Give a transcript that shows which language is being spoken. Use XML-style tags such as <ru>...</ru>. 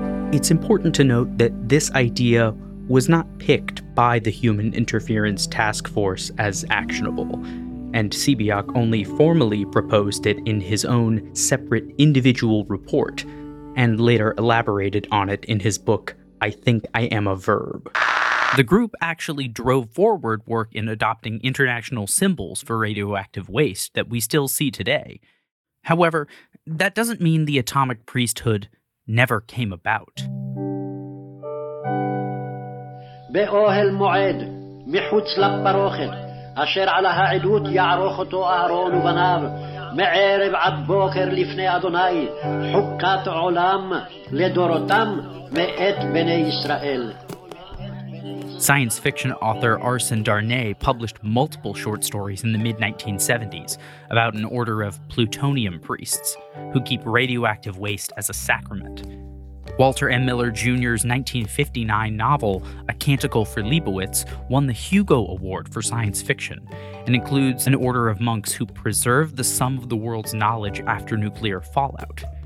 <en>It's important to note that this idea was not picked by the Human Interference Task Force as actionable, and Sebeok only formally proposed it in his own separate individual report, and later elaborated on it in his book, I Think I Am a Verb. The group actually drove forward work in adopting international symbols for radioactive waste that we still see today. However, that doesn't mean the atomic priesthood never came about.</en> <he>באוהל מועד, מחוץ לפרוכת, אשר על העדות יערוך אותו אהרון ובניו, מערב עד בוקר לפני אדוני, חוקת עולם לדורותם מאת בני ישראל.</he> <en>Science fiction author Arsène Darnay published multiple short stories in the mid-1970s about an order of plutonium priests who keep radioactive waste as a sacrament. Walter M. Miller Jr.'s 1959 novel, A Canticle for Leibowitz, won the Hugo Award for science fiction and includes an order of monks who preserve the sum of the world's knowledge after nuclear fallout.</en>